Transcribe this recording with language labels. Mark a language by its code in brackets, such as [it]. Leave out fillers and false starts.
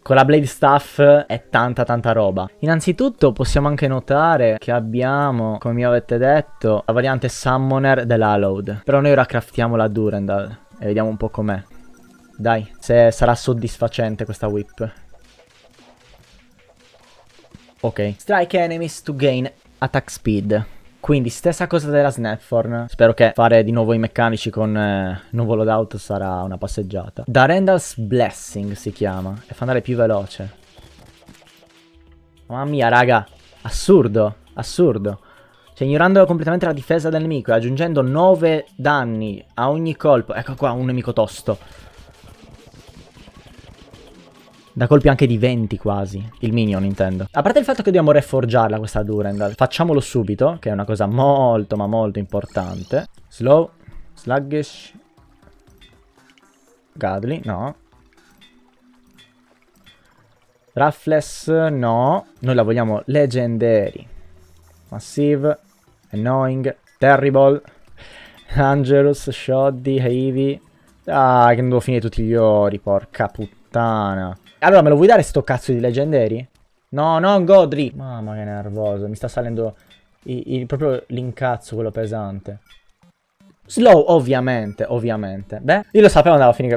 [it] Con la Blade Staff è tanta tanta roba. Innanzitutto possiamo anche notare che abbiamo, come mi avete detto, la variante Summoner dell'Hallowed. Però noi ora craftiamo la Durendal e vediamo un po' com'è. Dai, se sarà soddisfacente questa whip. Ok. [en] Strike enemies to gain attack speed. [it] Quindi stessa cosa della Snapthorn. Spero che fare di nuovo i meccanici con nuovo loadout sarà una passeggiata. Darendal's Blessing si chiama, e fa andare più veloce. Mamma mia raga, assurdo, assurdo. Cioè ignorando completamente la difesa del nemico e aggiungendo 9 danni a ogni colpo. Ecco qua un nemico tosto. Da colpi anche di 20 quasi. Il minion intendo. A parte il fatto che dobbiamo reforgiarla questa Durendal, facciamolo subito, che è una cosa molto ma molto importante. [en] Slow, sluggish, godly, no. [it] Ruthless, no. Noi la vogliamo legendary. [en] Massive, annoying, terrible, dangerous, shoddy, heavy. [it] Ah, che non devo finire tutti gli ori, porca puttana. Allora, me lo vuoi dare sto cazzo di leggendari? No, non godly. Mamma che nervoso. Mi sta salendo proprio l'incazzo, quello pesante. Slow, ovviamente, ovviamente. Beh, io lo sapevo andava a finire.